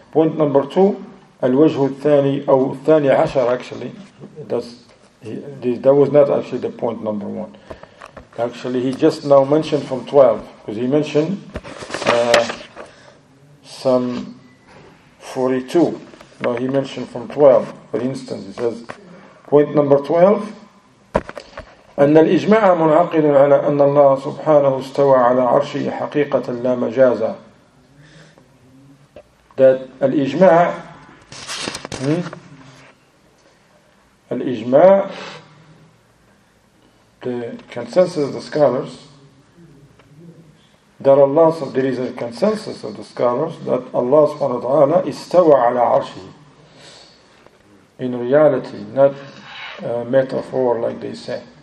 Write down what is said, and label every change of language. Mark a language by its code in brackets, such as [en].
[en] Point number two, al-wajhu al-thani, or al-thani ashar actually, that was not actually the point number one. Actually, he just now mentioned from 12, because he mentioned some 42. Now he mentioned from 12, for instance, he says, point number 12, [ar] أن الإجماع منعقد على أن الله سبحانه استوى على عرشه حقيقة لا مجازة. [en] That الإجماع الإجماع the consensus of the scholars that Allah there is a consensus of the scholars that Allah [ar] سبحانه وتعالى استوى على عرشه [en] in reality not a metaphor like they say.